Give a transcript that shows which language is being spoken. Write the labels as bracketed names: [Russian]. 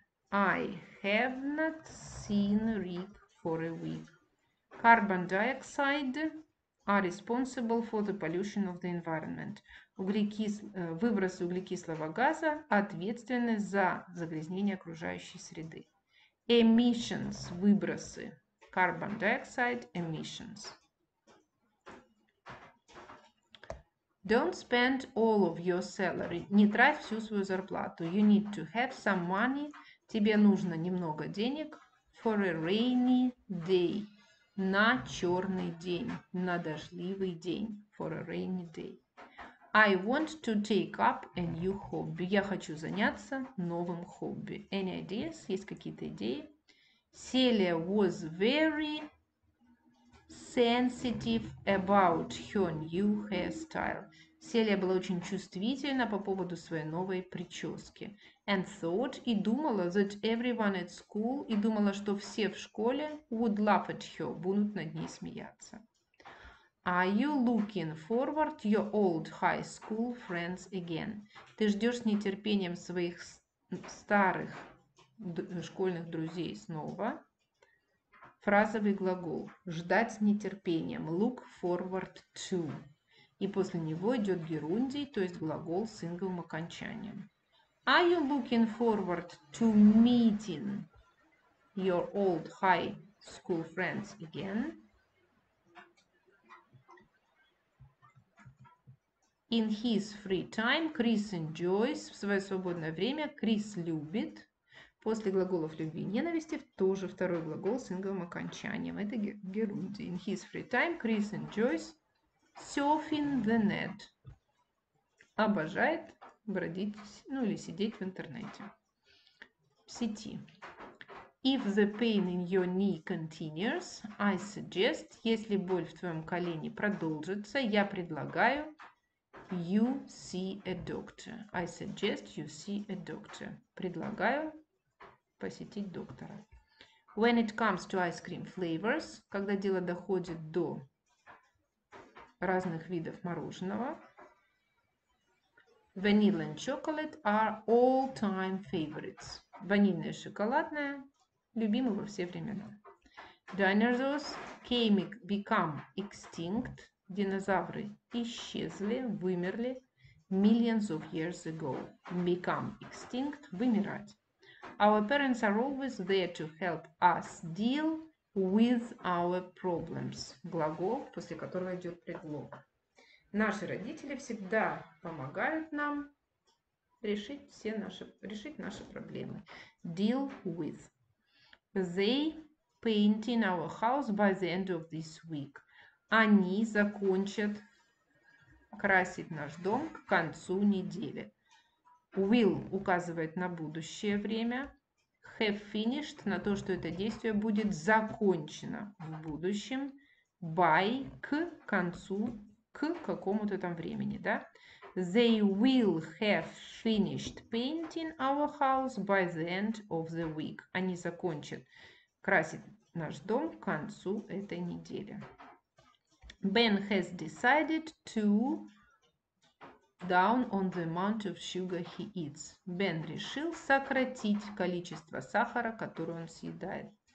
[English] I have not seen Rick for a week. Carbon dioxide are responsible for the pollution of the environment. [Russian] Выбросы углекислого газа ответственны за загрязнение окружающей среды. [English] Emissions – выбросы. Carbon dioxide – emissions. Don't spend all of your salary. [Russian] Не трать всю свою зарплату. [English] You need to have some money. [Russian] Тебе нужно немного денег. [English] For a rainy day. [Russian] На черный день, на дождливый день. [English] For a rainy day. I want to take up a new hobby. [Russian] Я хочу заняться новым хобби. [English] Any ideas? [Russian] Есть какие-то идеи? [English] Celia was very sensitive about her new hairstyle. [Russian] Celia была очень чувствительна по поводу своей новой прически. [English] And thought, [Russian] и думала, [English] that everyone at school, [Russian] и думала, что все в школе [English] would laugh at her, [Russian] будут над ней смеяться. [English] Are you looking forward your old high school friends again? [Russian] Ты ждешь с нетерпением своих старых школьных друзей снова? Фразовый глагол. Ждать с нетерпением. [English] Look forward to. [Russian] И после него идет герундий, то есть глагол с инговым окончанием. [English] Are you looking forward to meeting your old high school friends again? In his free time, Chris enjoys, [Russian] в свое свободное время, Chris любит. После глаголов любви и ненависти тоже второй глагол с инговым окончанием. Это герундий. [English] In his free time, Chris enjoys surfing the net. [Russian] Обожает бродить, ну или сидеть в интернете, в сети. [English] If the pain in your knee continues, I suggest, [Russian] если боль в твоем колене продолжится, я предлагаю, [English] you see a doctor. I suggest you see a doctor. [Russian] Предлагаю посетить доктора. [English] When it comes to ice cream flavors, [Russian] когда дело доходит до разных видов мороженого. [English] Vanilla and chocolate are all-time favorites. [Russian] Ванильное и шоколадное любимы во все времена. [English] Dinosaurs came become extinct. [Russian] Динозавры исчезли, вымерли [English] millions of years ago. Become extinct [Russian] – вымирать. [English] Our parents are always there to help us deal with our problems. [Russian] Глагол, после которого идет предлог. Наши родители всегда помогают нам решить все наши, решить наши проблемы. [English] Deal with. They painting our house by the end of this week. [Russian] Они закончат красить наш дом к концу недели. Will указывает на будущее время. [English] Have finished [Russian] на то, что это действие будет закончено в будущем. By к концу, к какому-то там времени, да? [English] They will have finished painting our house by the end of the week. [Russian] Они закончат красить наш дом к концу этой недели. [English] Ben has decided to down on the amount of sugar he eats. [Russian] Ben решил сократить количество сахара, которое он съедает.